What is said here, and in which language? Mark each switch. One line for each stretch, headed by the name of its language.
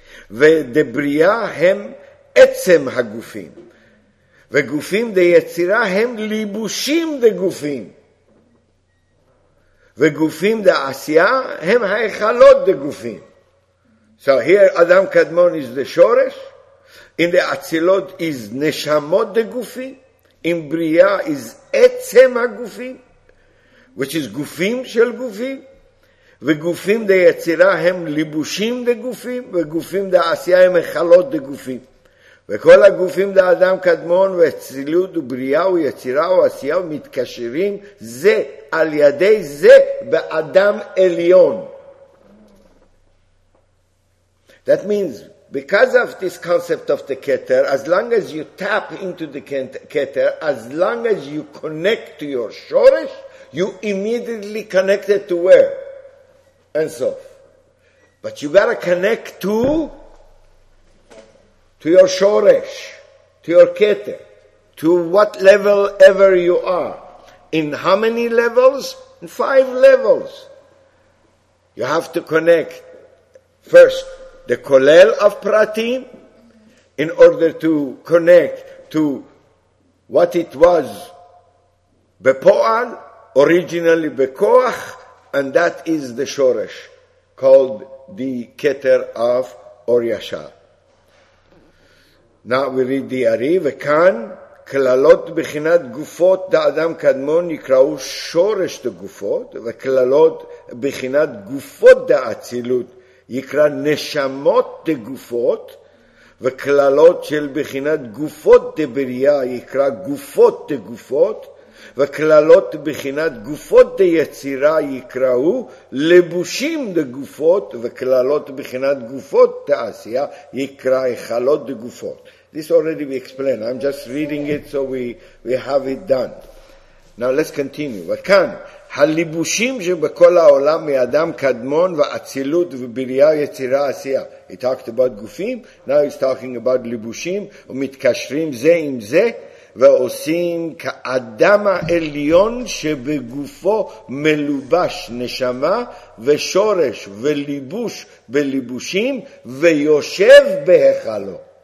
Hebrew: ודבריה הם עצם הגופים וגופים דיצירה הם ליבושים דגופים וגופים דעשייה הם היכלות דגופים.
English: So here Adam Kadmon is the שורש. In the אצילות is נשמות דגופים. In בריה is עצם הגופים, which is גופים של גופים.
Hebrew: וגופים דיצירה הם ליבושים דגופים, וגופים דעשייה הם מחלות דגופים. וכל הגופים לאדם קדמון והצילות ובריאה ויצירה ועשייה מתקשרים זה על ידי זה באדם עליון.
English: That means because of this concept of the Keter, as long as you tap into the Keter, as long as you connect to your Shoresh, you immediately connected to where? And so. But you gotta connect to your Shoresh, to your Keter, to what level ever you are. In how many levels? In 5 levels. You have to connect first the Kolel of Pratim in order to connect to what it was Bepoal, originally Bekoach, and that is the Shoresh, called the Keter of Or Yashar. Now we read the Ari,
Hebrew: Vekan, Klalot Bechinat Gufot Da Adam Kadmon Yikrau Shoresh Da Gufot, Vekalot Bechinat Gufot Da Atzilut יקרא נשמות דגופות, וכללות של בחינת גופות דבריאה יקרא גופות דגופות, וכללות בחינת גופות דיצירה יקראו לבושים דגופות, וכללות בחינת גופות תעשייה יקרא היכלות דגופות.
English: This already we explained. I'm just reading it so we have it done. Now let's continue.
Hebrew: וכאן הליבושים שבכל העולם מאדם קדמון ואצילות ובריאה יצירה עשייה.
English: He talked about גופים, now he's talking about ליבושים,
Hebrew: ומתקשרים זה עם זה, ועושים כאדם העליון שבגופו מלובש נשמה ושורש וליבוש בליבושים ויושב בהיכלו.